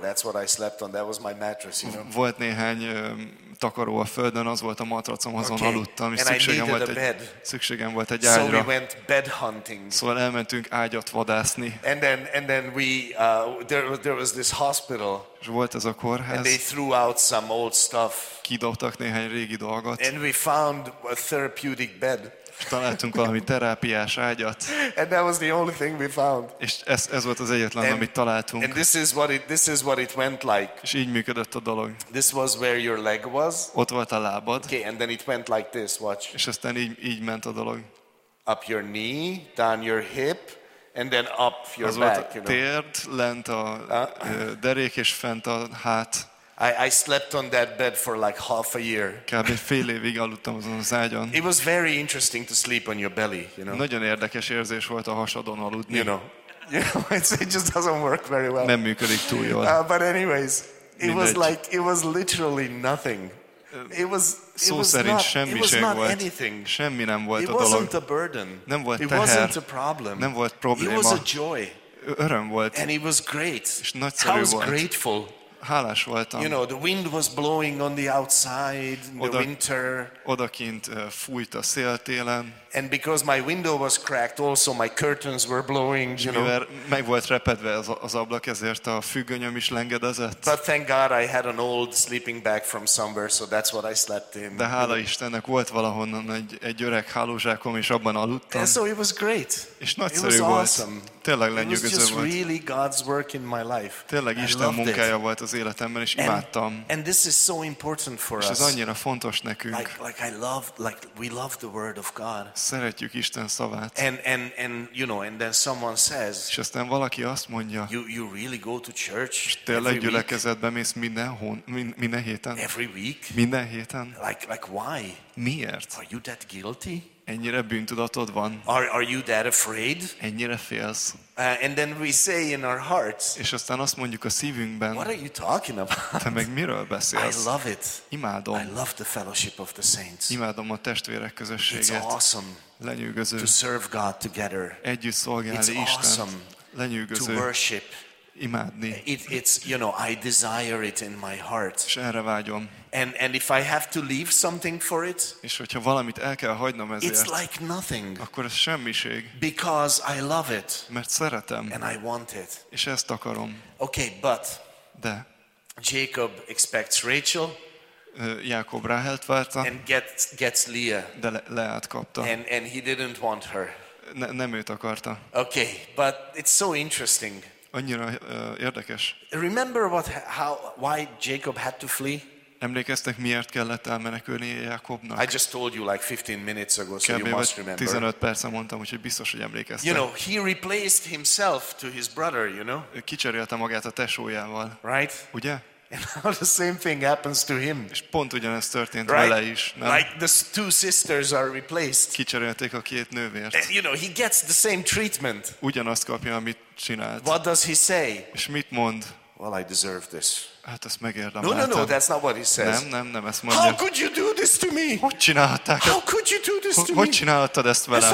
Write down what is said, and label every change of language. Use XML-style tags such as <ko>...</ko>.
<en>That's what I slept on. That was my mattress, you know.</en> <hu>Volt néhány takaró a földön, az volt a matracom, azon okay. Aludtam, és szükségem volt egy ágyra.</hu> <en>So we went bed hunting.</en> <hu>Szóval elmentünk ágyat vadászni.</hu> <en>And then we there was this hospital.</en> <hu>És volt ez a kórház.</hu> <en>And they threw out some old stuff.</en> <hu>Kidobtak néhány régi dolgot.</hu> <en>And we found a therapeutic bed.</en> <hu>Találtunk valami terápiás ágyat.</hu> <en>And that was the only thing we found.</en> <hu>És ez volt az egyetlen, amit találtunk.</hu> <en>And this is what it went like.</en> <hu>És így működött a dolog.</hu> <en>This was where your leg was.</en> <hu>Ott volt a lábad.</hu> <en>Okay, and then it went like this, watch.</en> <hu>És aztán így ment a dolog.</hu> <en>Up your knee, down your hip, and then up your</en> <hu>az volt</hu> <en>back, you know.</en> <hu>Térd, lent a derék és fent a hát.</hu> <en>I slept on that bed for like half a year.</en> <hu>Kb. Fél évig aludtam azon az ágyon.</hu> <en>It was very interesting to sleep on your belly, you know.</en> <hu>Nagyon érdekes érzés volt a hasadon aludni.</hu> <en>You know. It just doesn't work very well.</en> <hu>Nem működik túl jól.</hu> <en>But anyways, it was literally nothing. It was not anything.</en> <hu>Semmi nem volt</hu> <en>it</en> <hu>a dolog.</hu> <en>It wasn't a burden.</en> <hu>Nem volt</hu> <en>it</en> <hu>teher.</hu> <en>It wasn't a problem.</en> <hu>Nem volt probléma.</hu> <en>It was a joy.</en> <hu>Öröm volt.</hu> <en>And it was great.</en> <hu>És nagyszerű volt.</hu> <en>I was grateful.</en> <hu>Hálás voltam.</hu> <en>You know, the wind was blowing on the outside in the winter.</en> <hu>Odakint fújt a szél télen.</hu> <en>And because my window was cracked, also my curtains were blowing, you know.</en> <hu>Meg volt repedve az ablak, ezért a függönyöm is lengedezett.</hu> <en>But thank God I had an old sleeping bag from somewhere, so that's what I slept in.</en> <hu>De hála Istennek volt valahonnan egy öreg hálózsákom, és abban aludtam.</hu> <en>And so it was great.</en> <hu>És nagyszerű</hu> <en>It was awesome.</en> <hu>Tényleg lenyűgöző volt.</hu> <en>It was just really God's work in my life.</en> <hu>Tényleg Isten munkája volt az életemben, és imádtam.</hu> <en>And this is so important for us.</en> <hu>És ez annyira fontos nekünk.</hu> <en>Like I love, like we love the word of God.</en> <hu>Szeretjük Isten szavát.</hu> <en>And you know, and then someone says.</en> <hu>És aztán valaki azt mondja.</hu> <en>You really go to church?</en> <hu>Tényleg gyülekezetbe mész minden héten?</hu> <en>Every week?</en> <hu>Minden héten?</hu> <en>Like why?</en> <hu>Miért?</hu> <en>Are you that guilty?</en> <hu>Ennyire bűntudatod van?</hu> <en>Are you that afraid?</en> <hu>Ennyire félsz?</hu> <en>And then we say in our hearts.</en> <hu>És aztán azt mondjuk a szívünkben.</hu> <en>What are you talking about?</en> <hu>Te meg miről beszélsz?</hu> <en>I love it.</en> <hu>Imádom.</hu> <en>I love the fellowship of the saints.</en> <hu>Imádom a testvérek közösséget.</hu> <en>It's awesome.</en> <hu>Lenyűgöző.</hu> <en>To serve God together.</en> <hu>Együtt szolgálni Istent.</hu> <en>It's awesome.</en> <hu>Lenyűgöző.</hu> <en>To worship.</en> <hu>imádni.</hu> <en>It's you know, I desire it in my heart.</en> <hu>És erre vágyom.</hu> <en>And if I have to leave something for it,</en> <hu>és hogyha valamit el kell hagynom ezért,</hu> <en>it's like nothing.</en> <hu>Akkor ez semmiség.</hu> <en>Because I love it.</en> <hu>Mert szeretem.</hu> <en>And I want it.</en> <hu>És ezt akarom.</hu> <en>Okay, but</en> <hu>de</hu> <en>Jacob expects Rachel.</en> <hu>Jákob Ráhelt várta.</hu> <en>And gets Leah.</en> <hu>De Leát kapta.</hu> <en>And he didn't want her.</en> <hu>Nem őt akarta.</hu> <en>Okay, but it's so interesting.</en> <hu>Annyira érdekes.</hu> <en>Remember why Jacob had to flee?</en> <hu>Emlékeztek, miért kellett elmenekülni Jákobnak?</hu> <en>I just told you like 15 minutes ago, so you must remember.</en> <hu>15 percet mondtam, úgyhogy biztos, hogy emlékeztek.</hu> <en>You know, he replaced himself to his brother, you know?</en> <hu>Kicserélte magát a tesójával.</hu> <en>Right?</en> <hu>Ugye?</hu> <en>And now the same thing happens to him.</en> <hu>És pont ugyanez történt vele is. Nem?</hu> <en>Like the two sisters are replaced.</en> <hu>Kicserélték a két nővért.</hu> <en>And, you know, he gets the same treatment.</en> <hu>Ugyanazt kapja, amit csinált.</hu> <en>What does he say?</en> <hu>És mit mond?</hu> <en>Well, I deserve this.</en> <hu>Hát ezt megérdem.</hu> <en>No, no, that's not what he says.</en> <hu>Nem, ezt mondja.</hu> <en>How could you do this to me?</en> <hu>Hogy csinálták?</hu> <en>How could you do this to me?</en> <hu>Hogy csináltad ezt velem?</hu>